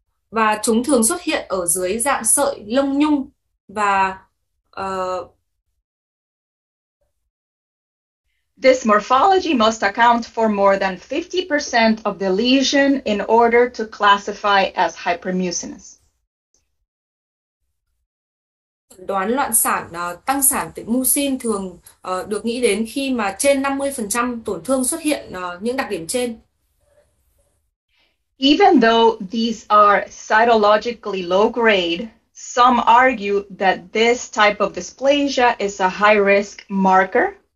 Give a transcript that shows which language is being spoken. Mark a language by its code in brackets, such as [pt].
[vi] Và chúng thường xuất hiện ở dưới dạng sợi lông nhung và [en] This morphology must account for more than 50% of the lesion in order to classify as hypermucinous. [vi] đoán loạn sản tăng sản tế mucin thường được nghĩ đến khi mà trên 50% tổn thương xuất hiện những đặc điểm trên. [en] Even though these are cytologically low grade, some argue that this type of dysplasia is a high-risk marker.